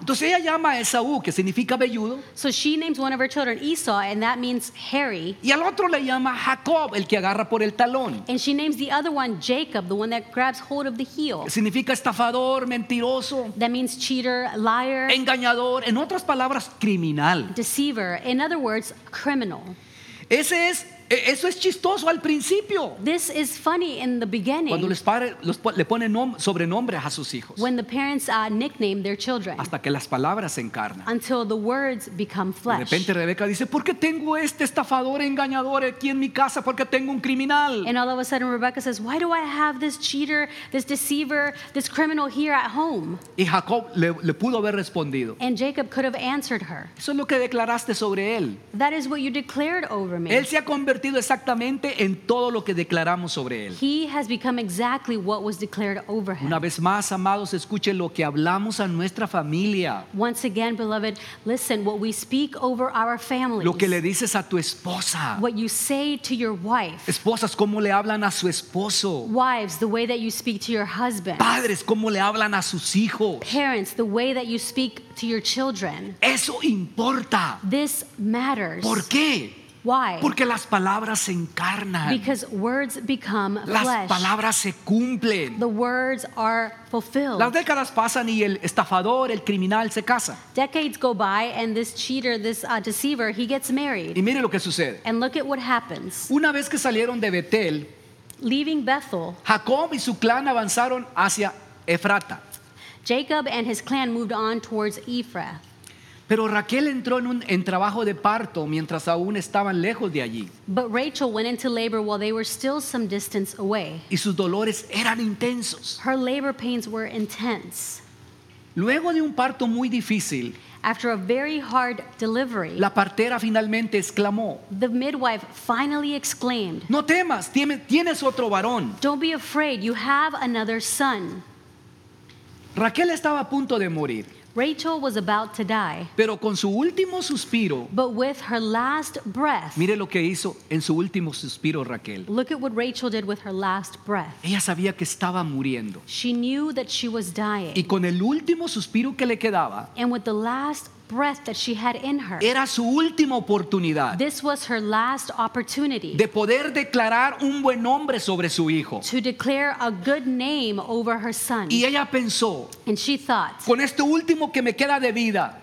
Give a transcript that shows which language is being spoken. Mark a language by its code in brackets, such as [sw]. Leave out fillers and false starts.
[es] Entonces ella llama a Esaú, que significa velludo. [en] So she names one of her children Esau, and that means hairy. [es] Y al otro le llama Jacob, el que agarra por el talón. [en] And she names the other one Jacob, the one that grabs hold of the heel. [es] Que significa estafador, mentiroso. [en] That means cheater, liar. [es] Engañador, en otras palabras, criminal. [en] Deceiver, in other words, criminal. [es] Ese es, eso es chistoso al principio. [en] This is funny in the beginning. [es] Cuando le ponen sobrenombres a sus hijos. [en] When the parents nickname their children. [es] Hasta que las palabras se encarnan. [en] Until the words become flesh. [es] De repente Rebeca dice, ¿por qué tengo este estafador engañador aquí en mi casa? ¿Por qué tengo un criminal? [en] And all of a sudden Rebecca says, why do I have this cheater, this deceiver, this criminal here at home? [es] Y Jacob le pudo haber respondido. [en] And Jacob could have answered her. [es] Eso es lo que declaraste sobre él. [en] That is what you declared over me. [es] Él se ha convertido exactamente en todo lo que declaramos sobre él. [en] He has become exactly what was declared over him. [es] Una vez más, amados, escuche lo que hablamos a nuestra familia. [en] Once again, beloved, listen what we speak over our families. [es] Lo que le dices a tu esposa. [en] What you say to your wife. [es] Esposas, cómo le hablan a su esposo. [en] Wives, the way that you speak to your husband. [es] Padres, cómo le hablan a sus hijos. [en] Parents, the way that you speak to your children. [es] Eso importa. [en] This matters. [es] ¿Por qué? [en] Why? [es] Porque las palabras se encarnan. [en] Because words become flesh. [es] Las palabras se cumplen. [en] The words are fulfilled. [es] Las décadas pasan y el estafador, el criminal se casa. [en] Decades go by and this cheater, this deceiver, he gets married. [es] Y mire lo que sucede. [en] And look at what happens. [es] Una vez que salieron de Betel, [en] leaving Bethel, [es] Jacob y su clan avanzaron hacia Efrata. [en] Jacob and his clan moved on towards Ephrath. [es] Pero Raquel entró en trabajo de parto mientras aún estaban lejos de allí. [en] But Rachel went into labor while they were still some distance away. [es] Y sus dolores eran intensos. [en] Her labor pains were intense. [es] Luego de un parto muy difícil, [en] after a very hard delivery, [es] la partera finalmente exclamó, [en] the midwife finally exclaimed, [es] no temas, tienes otro varón. [en] Don't be afraid, you have another son. [es] Raquel estaba a punto de morir. [en] Rachel was about to die. [es] Pero con su último suspiro, [en] but with her last breath. [es] Mire lo que hizo en su último suspiro Raquel. [en] Look at what Rachel did with her last breath. [es] Ella sabía que estaba muriendo. [en] She knew that she was dying. [es] Y con el último suspiro que le quedaba, [en] and with the last breath that she had in her. [es] Era su última oportunidad. [en] This was her last opportunity. [es] De poder declarar un buen nombre sobre su hijo. [en] To declare a good name over her son. [es] Y ella pensó, [en] and she thought, [es] con este último que me queda de vida,